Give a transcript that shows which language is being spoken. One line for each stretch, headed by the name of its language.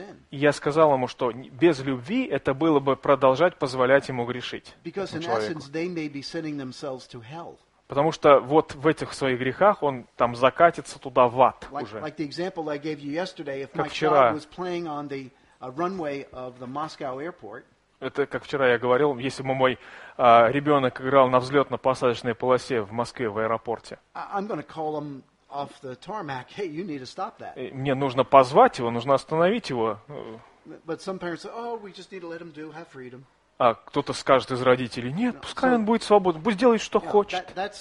Russian: И я сказал ему, что без любви это было бы продолжать позволять ему грешить.
English: Because in essence they may be sending themselves to hell.
Russian: Потому что вот в этих своих грехах он там закатится туда в ад уже.
English: Like the example I gave you yesterday, if my child was playing on the runway of the Moscow airport.
Russian: Это как вчера я говорил, если бы мой ребенок играл на взлетно-посадочной полосе в Москве в аэропорте.
English: I'm going to call him off the tarmac. Hey, you need to stop that.
Russian: Мне нужно позвать его, нужно остановить его.
English: But some parents say, oh, we just need to let him do, have freedom.
Russian: А кто-то скажет из родителей, нет, пускай он будет свободен, пусть делает, что хочет.